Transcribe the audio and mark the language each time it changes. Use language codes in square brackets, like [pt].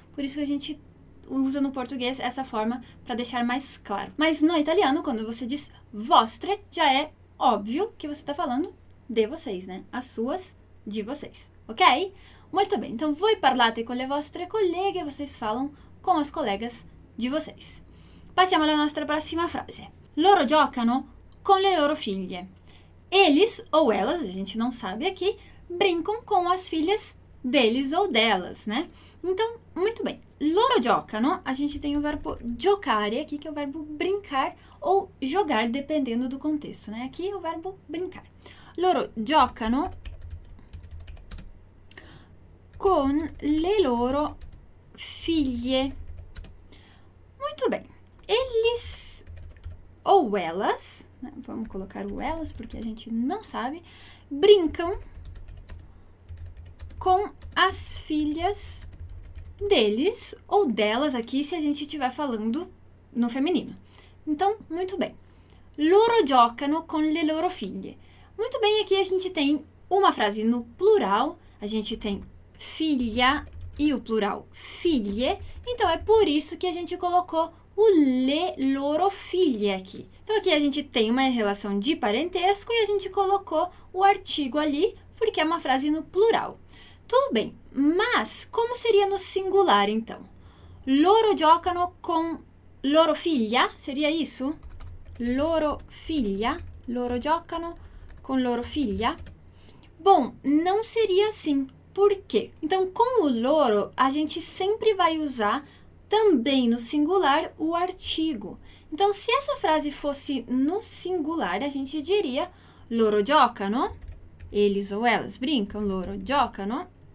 [pt] Por isso que a gente usa no português essa forma para deixar mais claro. Mas no italiano, quando você diz vostre, já é óbvio que você está falando de vocês, né? As suas, de vocês. Ok? Muito bem. Então, [it] voi parlate con le vostre colleghe, [pt] vocês falam com as colegas de vocês. [it] Passiamo alla nostra prossima frase. Loro giocano con le loro figlie. [pt] Eles ou elas, a gente não sabe aqui, brincam com as filhas deles ou delas, né? Então, muito bem. [it] Loro giocano, [pt] a gente tem o verbo giocare aqui, que é o verbo brincar ou jogar, dependendo do contexto, né? Aqui é o verbo brincar. [it] Loro giocano con le loro figlie. [pt] Muito bem. Eles ou elas, Vamos colocar o elas porque a gente não sabe. Brincam com as filhas deles ou delas aqui, se a gente estiver falando no feminino. Então, muito bem. [it] Loro giocano con le loro figlie. [pt] Muito bem, aqui a gente tem uma frase no plural. A gente tem figlia e o plural figlie. Então, é por isso que a gente colocou o [it] le loro figlie [pt] aqui. Então, aqui a gente tem uma relação de parentesco e a gente colocou o artigo ali porque é uma frase no plural. Tudo bem, mas como seria no singular, então? [it] Loro giocano con loro figlia? Seria isso? Loro figlia? Loro giocano con loro figlia? [pt] Bom, não seria assim. Por quê? Então, com o loro, a gente sempre vai usar também no singular o artigo. Então, se essa frase fosse no singular, a gente diria [it] loro giocano. [pt] Eles ou elas brincam, [it] loro giocano.